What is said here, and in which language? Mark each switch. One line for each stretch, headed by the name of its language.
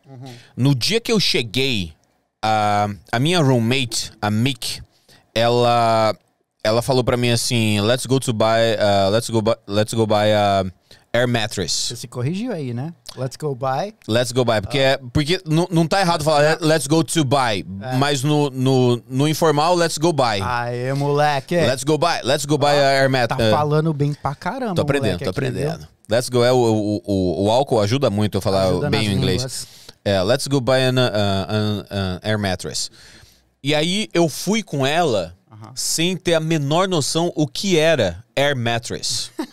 Portuguese: Uhum. No dia que eu cheguei, a minha roommate, a Mick, ela falou pra mim assim,
English: let's go buy a...
Portuguese: Air mattress. Você se corrigiu aí, né?
English: Let's go buy. Let's go buy.
Portuguese: Porque, porque não tá errado falar
English: let's go to buy.
Portuguese: É. Mas no informal,
English: let's go buy.
Portuguese: Aê, moleque.
English: Let's go buy. Let's go buy a air mattress.
Portuguese: Tá falando bem pra caramba, tô aprendendo, moleque, tô aprendendo. Viu?
English: Let's go.
Portuguese: O álcool ajuda muito a falar ajuda bem o inglês. Línguas.
English: É, let's go buy an air mattress.
Portuguese: E aí eu fui com ela sem ter a menor noção o que era air mattress.